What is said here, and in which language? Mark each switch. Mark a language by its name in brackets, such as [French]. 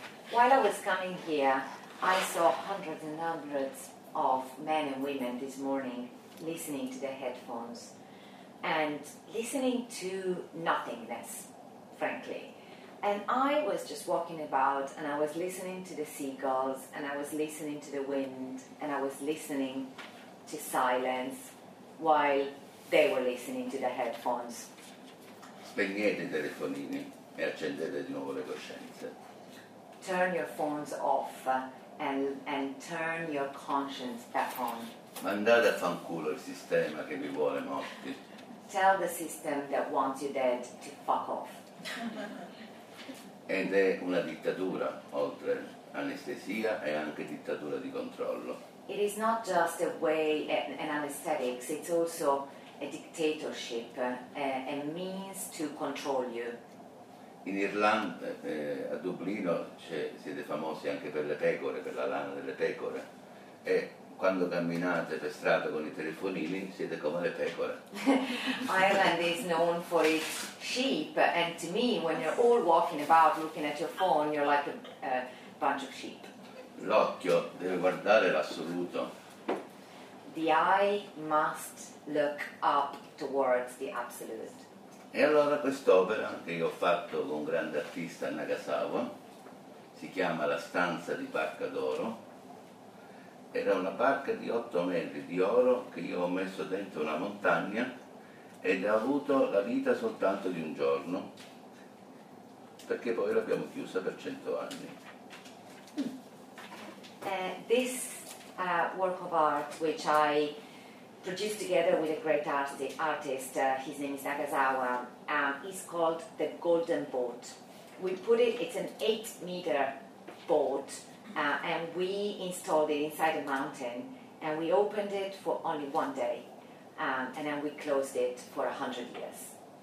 [English] While I was coming here, I saw hundreds and hundreds of men and women this morning listening to their headphones and listening to nothingness, frankly. And I was just walking about and I was listening to the seagulls and I was listening to the wind and I was listening to silence while they were listening to their headphones. [Italian] Spegnete I telefonini e accendete di nuovo le coscienze. [English] Turn your phones off and turn your conscience back on. [Italian] Mandate a fanculo il sistema che vi vuole morti. [English] Tell the system that wants you dead to fuck off. [Italian] Ed è una dittatura, oltre anestesia, è anche dittatura di controllo. [English] It is not just a way an anesthetics, it's also a dictatorship, a means to control you. [Italian] In Irlanda, a Dublino, siete famosi anche per le pecore, per la lana delle pecore. E quando camminate per strada con I telefonini, siete come le pecore. [English] Ireland is known for its sheep, and to me, when you're all walking about looking at your phone, you're like a bunch of sheep. [Italian] L'occhio deve guardare l'assoluto. [English] The eye must look up towards the absolute. [Italian] E allora quest'opera che io ho fatto con un grande artista a Nagasawa si chiama La stanza di Barca d'oro. Era una barca di 8 metri di oro che io ho messo dentro una montagna ed ha avuto la vita soltanto di un giorno, perché poi l'abbiamo chiusa per 100 anni. [English] This work of art, which I produced together with a great artist, his name is Nagasawa, is called the Golden Boat. We put it, it's an 8-meter boat, and we installed it inside a mountain, and we opened it for only one day, and then we closed it for 100 years.